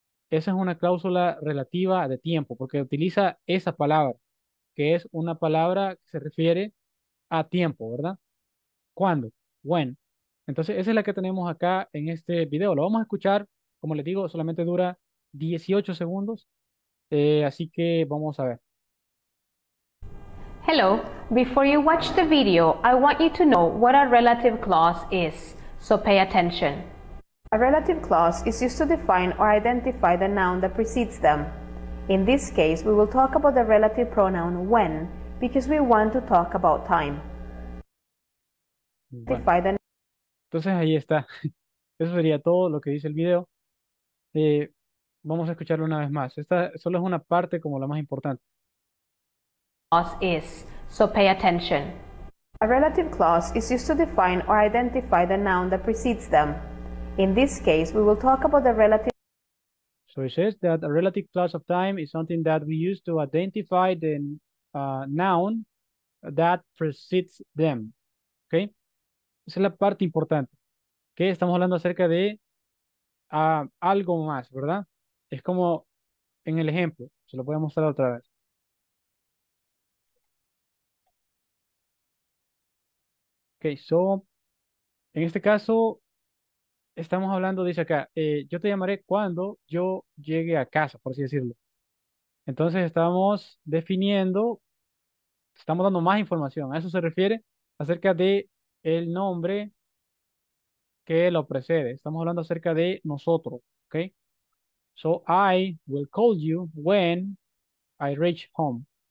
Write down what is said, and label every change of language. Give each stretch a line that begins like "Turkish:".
Spanish: Esa es una cláusula relativa de tiempo porque utiliza esa palabra, que es una palabra que se refiere a tiempo, ¿verdad? Cuándo, when. Entonces, esa es la que tenemos acá en este video. Lo vamos a escuchar, como les digo, solamente dura 18 segundos. Así que vamos a ver.
English: Hello, before you watch the video, I want you to know what a relative clause is, so pay attention. A relative clause is used to define or identify the noun that precedes them. In this case, we will talk about the relative pronoun when, because we want to talk about time.
Spanish: Bueno. Entonces ahí está. Eso sería todo lo que dice el video. Vamos a escucharlo una vez más. Esta solo es una parte como la más importante.
English: Clause is, so pay attention. A relative clause is used to define or identify the noun that precedes them. In this case, we will talk about the relative. So it says that a relative clause of time is something that we use to identify the noun that precedes them. Okay.
Spanish: Esa es la parte importante, que estamos hablando acerca de algo más, ¿verdad? Es como en el ejemplo, se lo voy a mostrar otra vez. Ok, so, en este caso, estamos hablando, dice acá, yo te llamaré cuando yo llegue a casa, por así decirlo. Entonces estamos definiendo, estamos dando más información, a eso se refiere, acerca de el nombre que lo precede. Estamos hablando acerca de nosotros, ¿ok?
English: So, I will call you when I reach home.